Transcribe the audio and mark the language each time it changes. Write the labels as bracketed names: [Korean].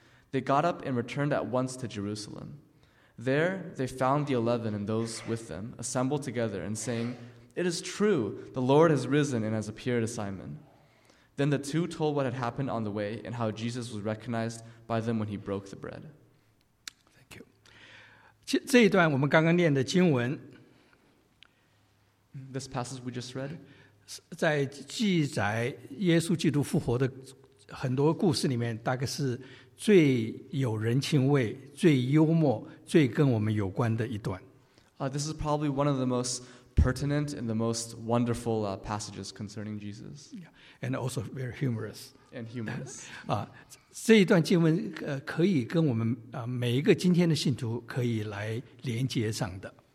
[English] They got up and returned at once to Jerusalem. There they found the 11 and those with them, assembled together and saying, "It is true, the Lord has risen and has appeared to Simon." Then the two told what had happened on the way and how Jesus was recognized by them when he broke the bread. Thank you. [Chinese] 这一段我们刚刚念的经文, [English] this passage we just read, [Chinese] 在记载耶稣基督复活的很多故事里面, 大概是最有人情味、最幽默、最跟我们有关的一段。 [English] This is probably one of the most pertinent and the most wonderful passages concerning Jesus. Yeah, and also very humorous. And humorous. [Chinese] 这一段经文可以跟我们每一个今天的信徒可以来连接上的。